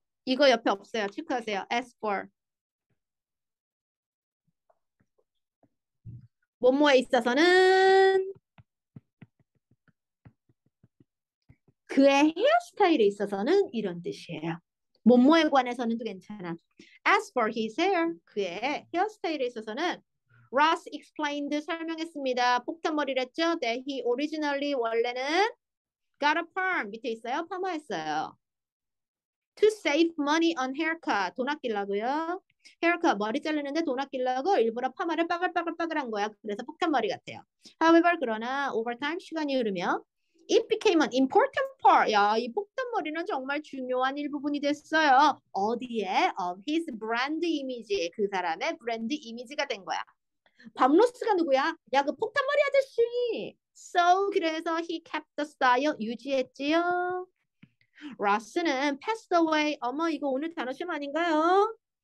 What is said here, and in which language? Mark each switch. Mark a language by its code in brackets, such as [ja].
[ko] 이거 옆에 없어요. 체크하세요. [en] As for. [ko] 뭐뭐에 있어서는 그의 헤어스타일에 있어서는 이런 뜻이에요. 뭐뭐에 관해서는 또 괜찮아. [en] As for his hair, [ko] 그의 헤어스타일에 있어서는 [en] Ross explained [ko] 설명했습니다. 폭탄머리랬죠? [en] That he originally [ko] 원래는 [en] got a perm [ko] 밑에 있어요. 파마했어요. [en] To save money on haircut [ko] 돈 아끼려고요. Haircut 머리 자르는데 돈 아끼려고 일부러 파마를 빠글빠글빠글한 거야. 그래서 폭탄머리 같아요. [en] However [ko] 그러나 [en] over time [ko] 시간이 흐르며 [en] It became an important part. [ko] 야, 이 폭탄머리는 정말 중요한 일부분이 됐어요. 어디에? [en] Of his brand image. [ko] 그 사람의 브랜드 이미지가 된 거야. 밤로스가 누구야? 야, 그 폭탄머리 아저씨. [en] So, [ko] 그래서 [en] he kept the style [ko] 유지했지요. [en] 로스는 passed away. [ko] 어머, 이거 오늘 단어쯤 아닌가요?